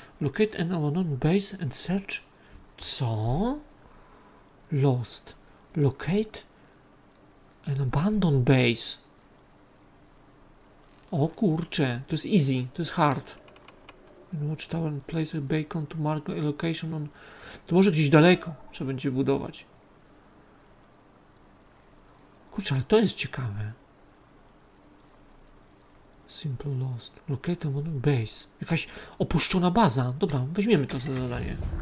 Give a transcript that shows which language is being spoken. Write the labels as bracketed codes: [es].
[en] Locate an unknown base and search. Co? Lost. Locate an abandoned base. [pl] O kurcze, to jest easy, to jest hard. [en] Watchtower and place a beacon to mark a location on. [pl] To może gdzieś daleko trzeba będzie budować. Kurczę, ale to jest ciekawe. [en] Simple lost. Locate on base. [pl] Jakaś opuszczona baza. Dobra, weźmiemy to za zadanie.